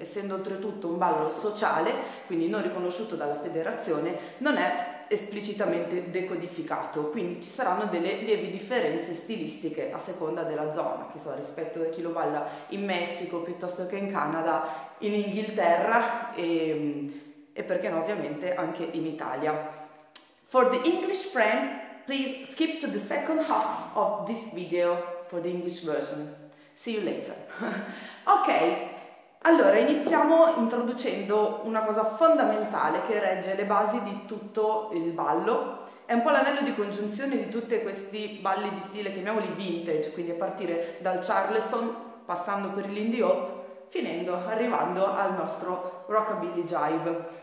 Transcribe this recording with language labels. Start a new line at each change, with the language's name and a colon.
Italian: Essendo oltretutto un ballo sociale, quindi non riconosciuto dalla federazione, non è esplicitamente decodificato, quindi ci saranno delle lievi differenze stilistiche a seconda della zona, che so, rispetto a chi lo balla in Messico piuttosto che in Canada, in Inghilterra e perché no, ovviamente anche in Italia.
English: For the English friends, please skip to the second half of this video for the English version. See you later. Ok.
Italian: Allora, iniziamo introducendo una cosa fondamentale che regge le basi di tutto il ballo. È un po' l'anello di congiunzione di tutti questi balli di stile, chiamiamoli vintage, quindi a partire dal Charleston, passando per l'Indie Hop, arrivando al nostro Rockabilly Jive.